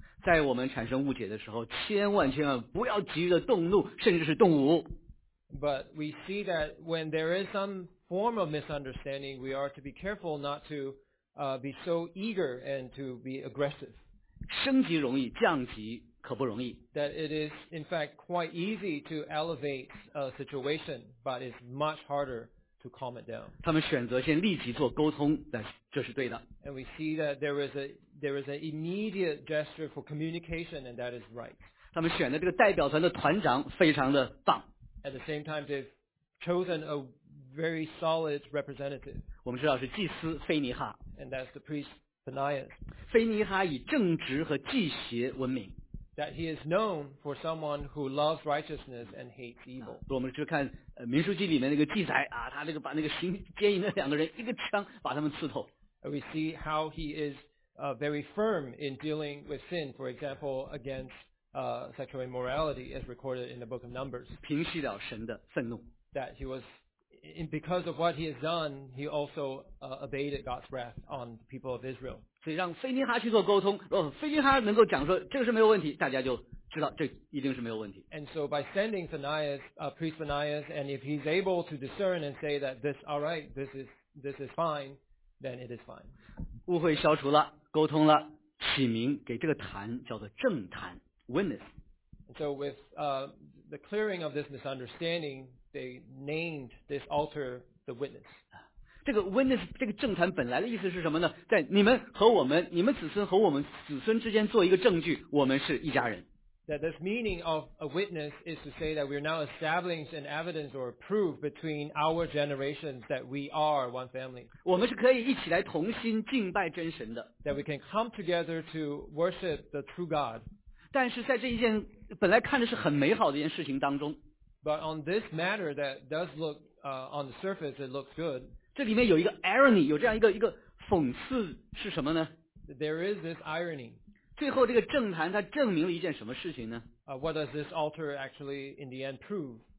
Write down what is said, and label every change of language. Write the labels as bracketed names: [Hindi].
[Chinese] 在我们产生误解的时候，千万千万不要急着动怒，甚至是动武。 [English] But we see that when there is some form of misunderstanding, we are to be careful not to be so eager and to be aggressive. [Chinese] 升级容易，降级可不容易。 [English] That it is in fact quite easy to elevate a situation, but it's much harder. To calm it down. [Chinese] 他们选择先立即做沟通，但这是对的。 [English] And we see that there is an immediate gesture for communication, and that is right. [Chinese] 他们选的这个代表团的团长非常的棒。 [English] At the same time, they've chosen a very solid representative. [Chinese] 我们知道是祭司腓尼哈。 [English] And that's the priest Phinehas. [Chinese] 腓尼哈以正直和祭邪闻名。 [English] That he is known for someone who loves righteousness and hates evil. [Chinese] 我们去看《民数记》里面那个记载啊，他那个把那个行奸淫的两个人一个枪把他们刺透。 [English] We see how he is very firm in dealing with sin, for example, against sexual immorality, as recorded in the book of Numbers. [Chinese] 平息了神的愤怒。 [English] That he was, because of what he has done, he also abated God's wrath on the people of Israel. [Chinese] 所以让腓尼哈去做沟通，如果腓尼哈能够讲说这个是没有问题，大家就知道这一定是没有问题。 [English] And so by sending Phinehas, priest Phinehas, and if he's able to discern and say that this all right, this is fine, then it is fine. [Chinese] 误会消除了，沟通了，起名给这个坛叫做正坛 ，Witness. [English] So with the clearing of this misunderstanding, they named this altar the Witness. [Chinese] 这个 witness 这个正坛本来的意思是什么呢？在你们和我们，你们子孙和我们子孙之间做一个证据，我们是一家人。 [English] That this meaning of a witness is to say that we are now establishing an evidence or proof between our generations that we are one family. [Chinese] 我们是可以一起来同心敬拜真神的。 [English] That we can come together to worship the true God. [Chinese] 但是在这一件本来看的是很美好的一件事情当中 [English] ，But on this matter that does look on the surface it looks good. [Chinese] 这里面有一个 irony， 有这样一个讽刺是什么呢 [English] ？There is this irony。 [Chinese] 最后这个政坛它证明了一件什么事情呢、 [English] What does this altar actually in the end prove？